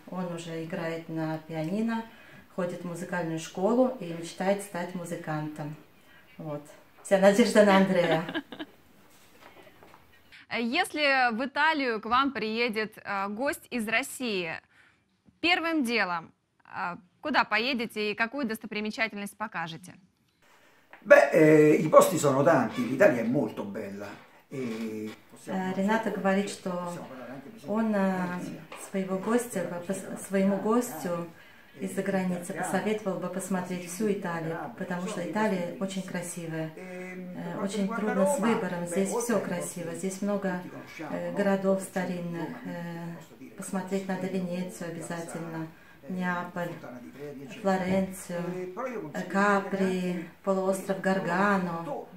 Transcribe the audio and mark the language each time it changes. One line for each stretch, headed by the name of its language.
Russian: Он уже играет на пианино, ходит в музыкальную школу и мечтает стать музыкантом. Вот. Вся надежда на Андреа. Если в Италию к вам приедет гость из России, первым делом куда поедете и какую достопримечательность покажете?
Italian: I posti sono tanti, l'Italia è molto bella.
Russian: Рената говорит, что он своего гостя, своему гостю из-за границы посоветовал бы посмотреть всю Италию, потому что Италия очень красивая, очень трудно с выбором, здесь все красиво, здесь много городов старинных, посмотреть надо Венецию обязательно, Неаполь, Флоренцию, Капри, полуостров Гаргано.